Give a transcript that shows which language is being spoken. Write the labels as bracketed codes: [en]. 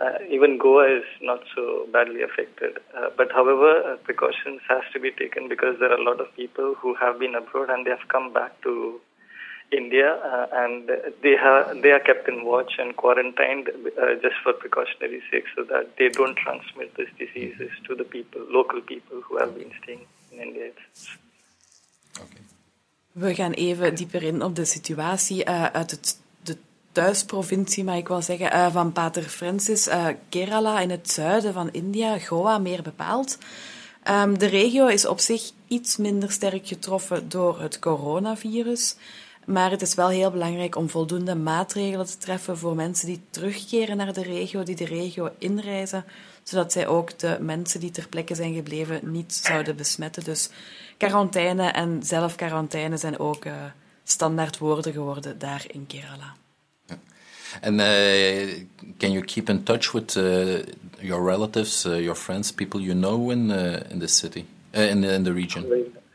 [en] Even Goa is not so badly affected. But however, precautions has to be taken because there are a lot of people who have been abroad and they have come back to India, and they are kept in watch and quarantined just for precautionary sake, so that they don't transmit these diseases to the people, local people who have been staying in India. [nl] We gaan even dieper in op de situatie uit de thuisprovincie, maar ik wil zeggen van Pater Francis, Kerala in het zuiden van India, Goa meer bepaald. De regio is op zich iets minder sterk getroffen door het coronavirus. Maar het is wel heel belangrijk om voldoende maatregelen te treffen voor mensen die terugkeren naar de regio, die de regio inreizen, zodat zij ook de mensen die ter plekke zijn gebleven niet zouden besmetten. Dus quarantaine en zelfquarantaine zijn ook standaard woorden geworden daar in Kerala. [en] En can you keep in touch with your relatives, your friends, people you know in the city, in the region?